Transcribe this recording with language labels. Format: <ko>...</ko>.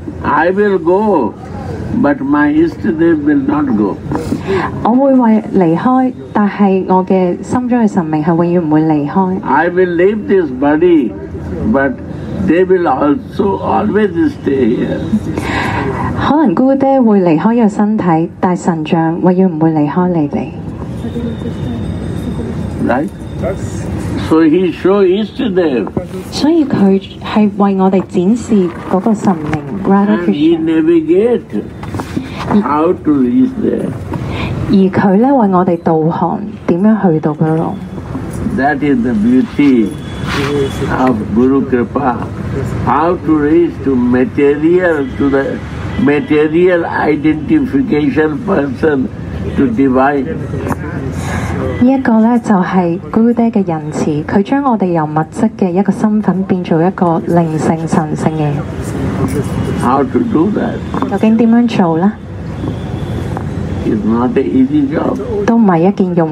<en>I will go, but my Ishtadev will not go.</en> <zh>我会离开, 但是我的心中的神明是永远不会离开。</zh> <en>I will leave this body, but they will also always stay here.</en> <zh>可能姑爹会离开这个身体, 但神像永远不会离开你们。</zh> <en>Right? So he showed Ishtadev.</en> <zh>所以他是为我们展示那个神明,</zh> <en>Radha Krishna. And he navigate how to reach there.</en> <zh>而他为我们导航,怎样去到那里?</zh> <en>That is the beauty of Guru Kripa. How to reach to material, to the material identification person, to divine.</en> <zh>这个就是Gurudev的仁慈, 他将我们由物质的一个身份变成一个灵性神圣的。</zh> <en>How to do that?</en> <zh>究竟怎样做呢?</zh> <en>It's not an easy job.</en> <zh>都不是一件容易的工作。</zh>